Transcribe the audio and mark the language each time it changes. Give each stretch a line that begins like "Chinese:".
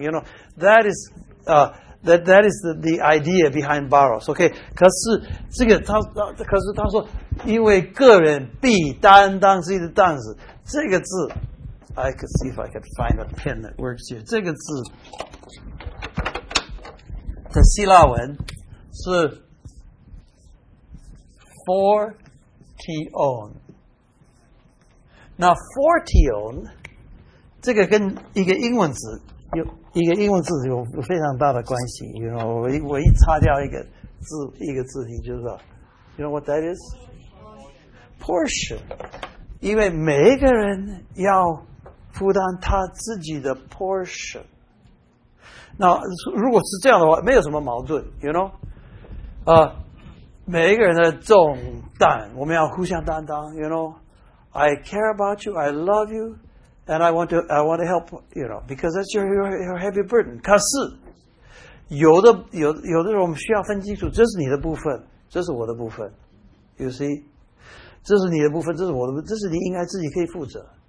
English: You know, that is, that is the idea behind baros.
Chinese: Okay, 可是他说，因为个人必担当自己的担子，这个字。
English: I could see if I could find a pen that works here.
Chinese: 这个字的希腊文是 fortion. Now fortion 这个跟一个英文字有非常大的关系。 You know, 我一擦掉一个字，你就知道。
English: You know what that is? Portion.
Chinese: 因为每一个人要负担他自己的 portion。那如果是这样的话，没有什么矛盾 ，you know？ 每一个人的重担，我们要互相担当 ，you know？
English: I care about you, I love you, and I want to help you know because that's your heavy burden。
Chinese: 可是有的时候我们需要分清楚，这是你的部分，这是我的部分 ，you see？这是你的部分，这是我的部分，这是你应该自己可以负责。